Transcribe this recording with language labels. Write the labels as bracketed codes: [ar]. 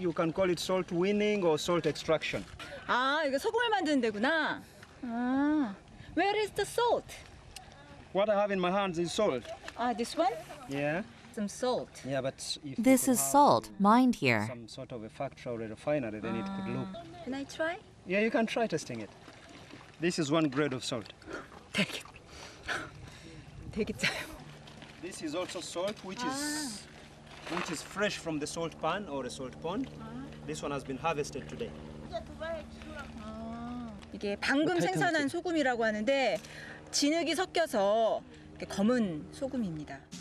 [en] You can call it salt winning or salt extraction. [ko] Ah, 이거 소금을 만드는 데구나. [en] Ah. Where is the salt? What I have in my hands is salt. This one? Yeah. Some salt. Yeah, but if this is salt mined here. Some sort of a factory or a refinery, then it could look. Can I try? Yeah, you can try testing it. This is one grade of salt. Take it. Take it. This is also salt, which is fresh from the salt pan or a salt pond. This one has been harvested today. [ko] 이게 방금 생산한 소금이라고 하는데 진흙이 섞여서 검은 소금입니다.